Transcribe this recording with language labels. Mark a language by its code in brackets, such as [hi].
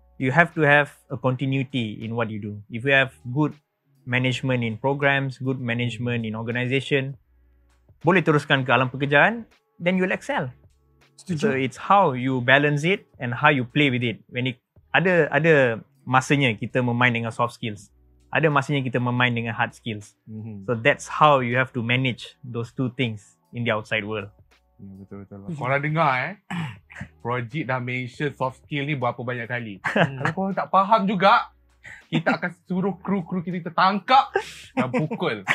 [en] You have to have a continuity in what you do. If you have good management in programs, good management in organization, [ms] boleh teruskan ke alam pekerjaan, [en] then you'll excel. [ms] Setuju. [en] So it's how you balance it and how you play with it. When it [ms] ada masanya kita bermain dengan soft skills. Ada masanya kita bermain dengan hard skills. [en] So that's how you have to manage those two things in the outside world. [ms] Ya, betul-betul. Korang dengar Projit dah mention soft skill ni berapa banyak kali. Kalau korang tak faham juga, kita akan suruh kru-kru kita tangkap dan pukul.